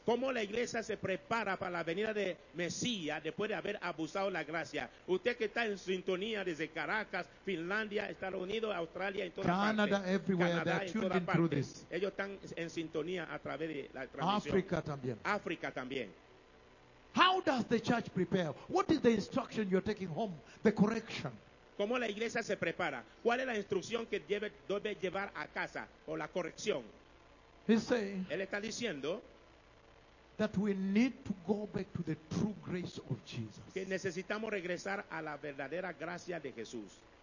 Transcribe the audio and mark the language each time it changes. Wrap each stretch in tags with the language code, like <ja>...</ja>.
<es>¿Cómo la iglesia se prepara para la venida de Mesías después de haber abusado la gracia? Usted que está en sintonía desde Caracas, Finlandia, Estados Unidos, Australia, en toda</es> <en>Canada,</en> <es>parte.</es> <en>Everywhere,</en> <es>Canadá,</es> <en>they are tuned in through this.</en> <es>Ellos están en sintonía a través de la transmisión. África también. África también.</es> <en>How does the church prepare? What is the instruction you're taking home? The correction.</en> <es>¿Cómo la iglesia se prepara? ¿Cuál es la instrucción que debe llevar a casa? O la corrección. Él está diciendo</es> <en>that we need to go back to the true grace of Jesus.</en> <es>Que necesitamos regresar a la verdadera gracia de Jesús.</es>